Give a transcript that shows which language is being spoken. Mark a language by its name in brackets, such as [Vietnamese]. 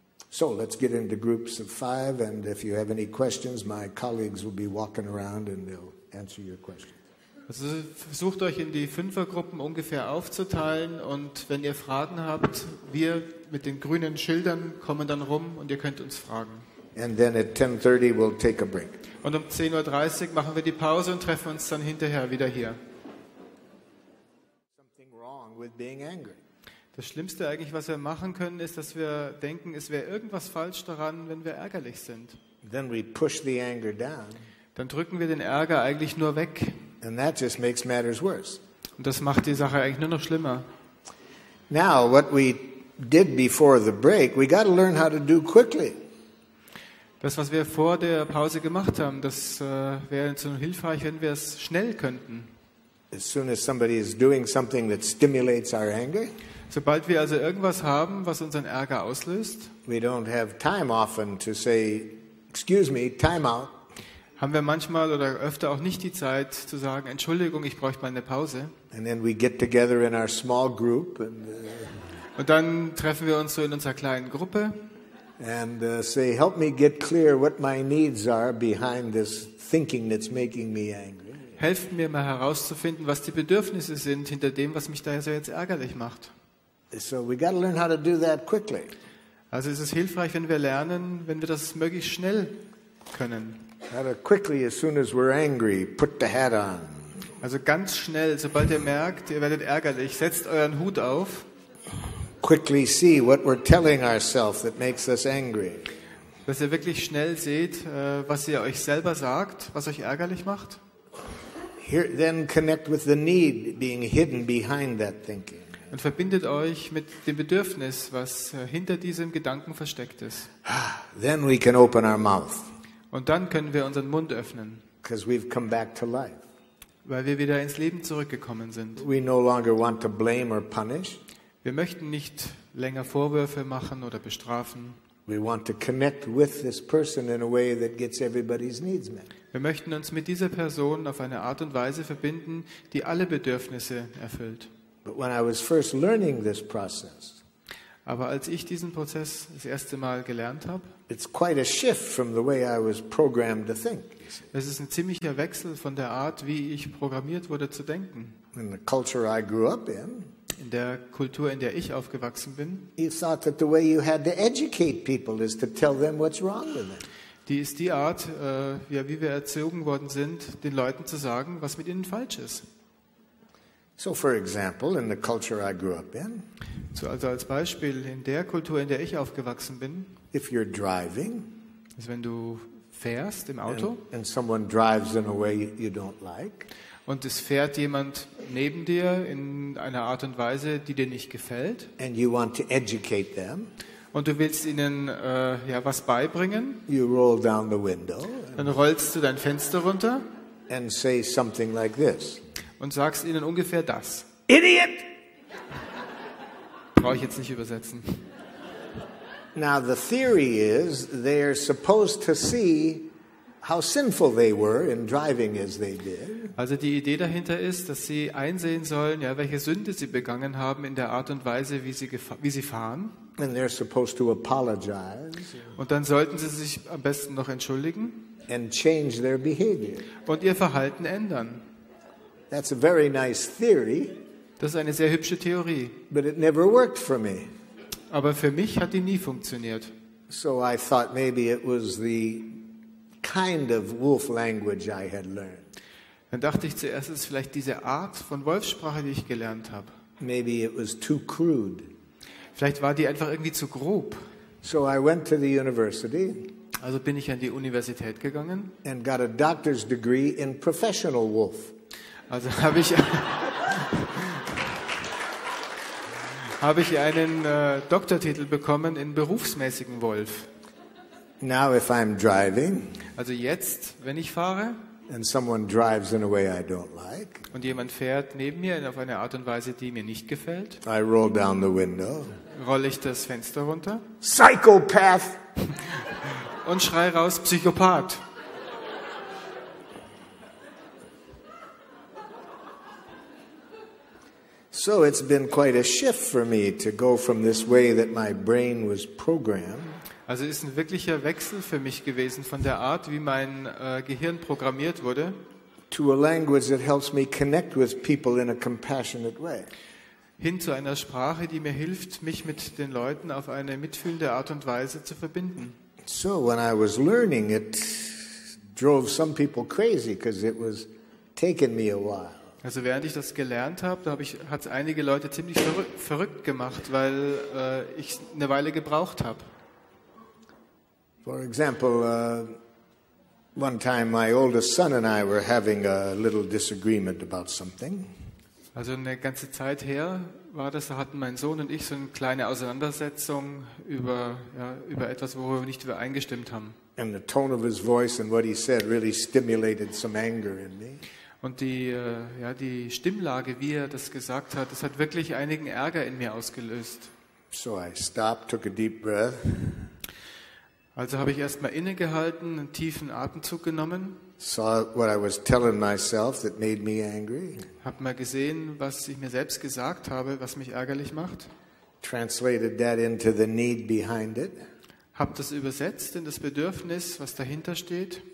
[English] So, let's get into groups of five, and if you have any questions, my colleagues will be walking around and they'll answer your questions. [German] Also versucht euch in die Fünfergruppen ungefähr aufzuteilen, und wenn ihr Fragen habt, wir mit den grünen Schildern kommen dann rum und ihr könnt uns fragen. [English] And then at 10:30 we'll take a break. [German] Und um 10:30 Uhr machen wir die Pause und treffen uns dann hinterher wieder hier. [English] Something wrong with being angry. [German] Das Schlimmste eigentlich, was wir machen können, ist, dass wir denken, es wäre irgendwas falsch daran, wenn wir ärgerlich sind. [English] Then we push the anger down. [German] Dann drücken wir den Ärger eigentlich nur weg. [English] And that just makes matters worse. [German] Und das macht die Sache eigentlich nur noch schlimmer. [English] Now, what we did before the break, we got to learn how to do quickly. [German] Das, was wir vor der Pause gemacht haben, das wäre so hilfreich, wenn wir es schnell könnten. [English] As soon as somebody is doing something that stimulates our anger. [German] Sobald wir also irgendwas haben, was unseren Ärger auslöst. [English] We don't have time often to say, excuse me, time out. [German] Haben wir manchmal oder öfter auch nicht die Zeit zu sagen, Entschuldigung, ich bräuchte mal eine Pause. [English] And then we get together in our small group and, [German] und dann treffen wir uns so in unserer kleinen Gruppe. [English] And say, help me get clear what my needs are behind this thinking that's making me angry. [German] Helft mir mal herauszufinden, was die Bedürfnisse sind hinter dem, was mich da so jetzt ärgerlich macht. [English] So we got to learn how to do that quickly. [German] Also es ist hilfreich, wenn wir lernen, wenn wir das möglichst schnell können. [English] How to quickly, as soon as we're angry, put the hat on. [German] Also ganz schnell, sobald ihr merkt, ihr werdet ärgerlich, setzt euren Hut auf. [English] Quickly see what we're telling ourselves that makes us angry. [German] Dass ihr wirklich schnell seht, was ihr euch selber sagt, was euch ärgerlich macht. [English] Here, then connect with the need being hidden behind that thinking. [German] Und verbindet euch mit dem Bedürfnis, was hinter diesem Gedanken versteckt ist. [English] Then we can open our mouth. [German] Und dann können wir unseren Mund öffnen. [English] Because we've come back to life. [German] Weil wir wieder ins Leben zurückgekommen sind. [English] We no longer want to blame or punish. [German] Wir möchten nicht länger Vorwürfe machen oder bestrafen. [English] We want to connect with this person in a way that gets everybody's needs met. [German] Wir möchten uns mit dieser Person auf eine Art und Weise verbinden, die alle Bedürfnisse erfüllt. [English] But when I was first learning this process, [German] aber als ich diesen Prozess das erste Mal gelernt habe, [English] it's quite a shift from the way I was programmed to think. [German] Es ist ein ziemlicher Wechsel von der Art, wie ich programmiert wurde zu denken. [English] In the culture I grew up in. [German] In der Kultur, in der ich aufgewachsen bin. [English] You thought that the way you had to educate people is to tell them what's wrong with them. [German] Die ist die Art, ja, wie wir erzogen worden sind, den Leuten zu sagen, was mit ihnen falsch ist. [English] So, for example, in the culture I grew up in. [German] So, also als Beispiel in der Kultur, in der ich aufgewachsen bin. [English] If you're driving. [German] Also wenn du fährst im Auto. [English] And someone drives in a way you don't like. [German] Und es fährt jemand neben dir in einer Art und Weise, die dir nicht gefällt. [English] And you want to educate them. [German] Und du willst ihnen ja, was beibringen. [English] You roll down the window. [German] Dann rollst du dein Fenster runter. [English] And say something like this. [German] Und sagst ihnen ungefähr das. [English] Idiot! [German] Brauche ich jetzt nicht übersetzen. [English] Now the theory is, they're supposed to see how sinful they were in driving as they did. [German] Also die Idee dahinter ist, dass sie einsehen sollen, ja, welche Sünde sie begangen haben in der Art und Weise, wie sie fahren. [English] And they're supposed to apologize. [German] Und dann sollten sie sich am besten noch entschuldigen. [English] And change their behavior. [German] Und ihr Verhalten ändern. [English] That's a very nice theory. [German] Das ist eine sehr hübsche Theorie. [English] But it never worked for me. [German] Aber für mich hat die nie funktioniert. [English] So I thought maybe it was the kind of wolf language I had learned. [German] Dann dachte ich zuerst, es ist vielleicht diese Art von Wolfssprache, die ich gelernt habe. [English] Maybe it was too crude. [German] Vielleicht war die einfach irgendwie zu grob. [English] So I went to the university. [German] Also bin ich an die Universität gegangen. [English] And got a doctor's degree in professional wolf. [German] Also habe ich einen Doktortitel bekommen in berufsmäßigen Wolf. [English] Now if I'm driving. [German] Also jetzt, wenn ich fahre. [English] And someone drives in a way I don't like. [German] Und jemand fährt neben mir auf eine Art und Weise, die mir nicht gefällt. [English] I roll down the window. [German] Roll ich das Fenster runter. [English] Psychopath. [German] Und schrei raus, Psychopath. [English] So it's been quite a shift for me to go from this way that my brain was programmed. [German] Also ist ein wirklicher Wechsel für mich gewesen von der Art, wie mein Gehirn programmiert wurde. [English] To a language that helps me connect with people in a compassionate way. [German] Hin zu einer Sprache, die mir hilft, mich mit den Leuten auf eine mitfühlende Art und Weise zu verbinden. [English] So when I was learning, it drove some people crazy because it was taking me a while. [German] Also während ich das gelernt habe, da hat es einige Leute ziemlich verrückt gemacht, weil ich eine Weile gebraucht habe. [English] For example, one time my oldest son and I were having a little disagreement about something. [German] Also eine ganze Zeit her war das, da hatten mein Sohn und ich so eine kleine Auseinandersetzung über, ja, über etwas, worüber wir nicht übereingestimmt haben. [English] And the tone of his voice and what he said really stimulated some anger in me. [German] Und die, ja, die Stimmlage, wie er das gesagt hat, das hat wirklich einigen Ärger in mir ausgelöst. [English] So I stopped, took a deep breath. [German] Also habe ich erstmal innegehalten, einen tiefen Atemzug genommen. [English] Saw what I was telling myself that made me angry. [German] Hab mal gesehen, was ich mir selbst gesagt habe, was mich ärgerlich macht. [English] Translated that into the need behind it. [German] Hab das übersetzt in das Bedürfnis, was dahinter steht.